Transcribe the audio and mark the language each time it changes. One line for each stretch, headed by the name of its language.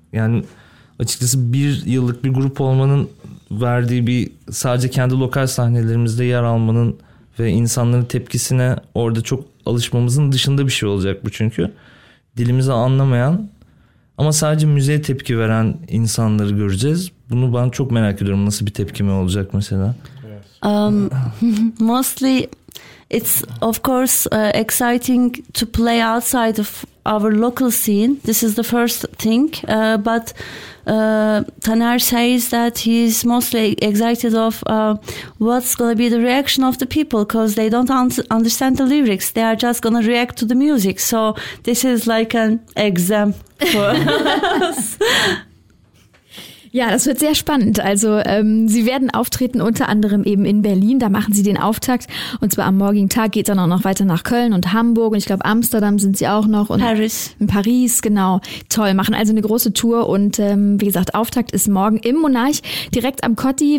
Turkish: Yani açıkçası bir yıllık bir grup olmanın verdiği bir sadece kendi lokal sahnelerimizde yer almanın ve insanların tepkisine orada çok alışmamızın dışında bir şey olacak bu çünkü. Dilimizi anlamayan ama sadece müziğe tepki veren insanları göreceğiz. Bunu ben çok merak ediyorum nasıl bir tepkime olacak mesela.
English: Mostly it's of course exciting to play outside of our local scene. This is the first thing. But Taner says that he's mostly excited of what's going to be the reaction of the people because they don't understand the lyrics. They are just going to react to the music. So this is like an exam for us.
German: Ja, das wird sehr spannend. Also sie werden auftreten unter anderem eben in Berlin, da machen sie den Auftakt und zwar am morgigen Tag geht es dann auch noch weiter nach Köln und Hamburg und ich glaube Amsterdam sind sie auch noch. Und Paris. In Paris, genau. Toll, machen also eine große Tour und wie gesagt, Auftakt ist morgen im Monarch direkt am Kotti.